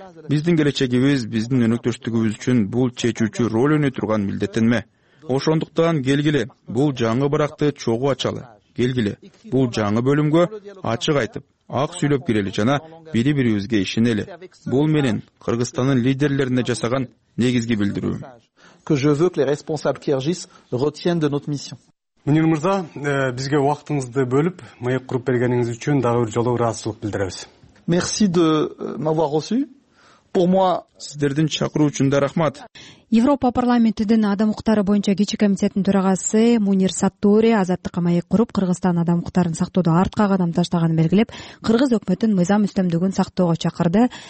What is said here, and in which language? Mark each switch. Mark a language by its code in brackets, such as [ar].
[ky] Биздин келечегибиз, биздин өнөктөштүгүбүз үчүн бул чечүүчү роль ойной турган милдеттенме. Ошондуктан келгиле, бул жаңы баракты чогуу ачалы. Келгиле, бул жаңы бөлүмгө ачык айтып, ак сүйлөп кирели жана бири бирибизге ишенели. Бул менин Кыргызстандын лидерлерине жасаган негизги билдирүүм. [fr] Que je veux que les responsables kirghizes retiennent de notre mission. [ky] Мунир мырза, бизге убактыңызды бөлүп, маек куруп бергениңиз үчүн дагы бир жолу ыраазычылык билдиребиз. [fr] Merci de m'avoir reçu. Pour moi, [ky] сиздердин чакыруу үчүн да рахмат. Европа парламентинин адам укуктары боюнча кичи комитеттин төрагасы Мунир Саттури азаттыкка маек куруп, Кыргызстан адам укуктарын сактоодо артка кадам таштаганын белгилеп, кыргыз өкмөтүн мыйзам үстөмдүгүн сактоого чакырды.